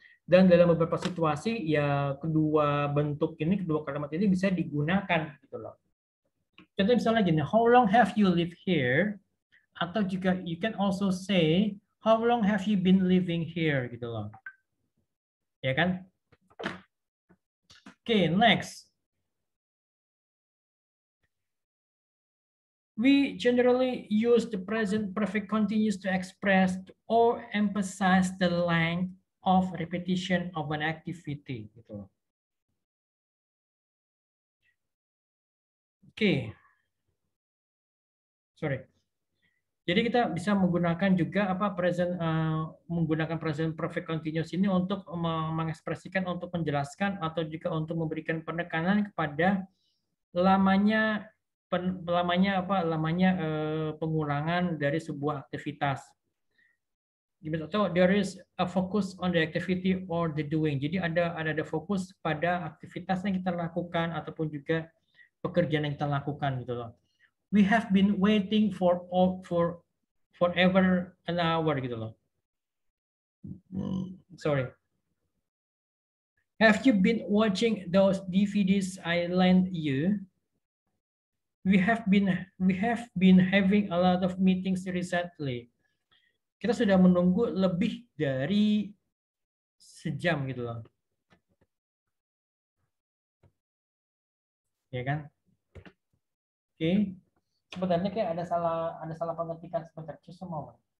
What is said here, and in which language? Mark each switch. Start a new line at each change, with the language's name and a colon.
Indonesian: Dan dalam beberapa situasi ya kedua kalimat ini bisa digunakan gitu loh.
English: Contoh misalnya gini, how long have you lived here?
Indonesian: Atau juga
English: you can also say how long have you been living here gitu loh. Ya kan? Okay, next. We generally use the present perfect continuous to express or emphasize the length of repetition of an activity. Okay. Sorry.
Indonesian: Jadi kita bisa menggunakan juga menggunakan present perfect continuous ini untuk mengekspresikan, untuk menjelaskan, atau juga untuk memberikan penekanan kepada lamanya pengulangan dari sebuah aktivitas.
English: Atau there is a focus on the activity or the doing.
Indonesian: Jadi ada fokus pada aktivitas yang kita lakukan ataupun juga pekerjaan yang kita lakukan gitu loh.
English: We have been waiting for forever an hour
Indonesian: gitu loh.
English: Sorry. Have you been watching those DVDs I lent you? We have been having a lot of meetings recently.
Indonesian: Kita sudah menunggu lebih dari sejam gitu loh. ya kan? Oke. Sebenarnya kayak ada salah pengetikan sebentar,
English: just a moment.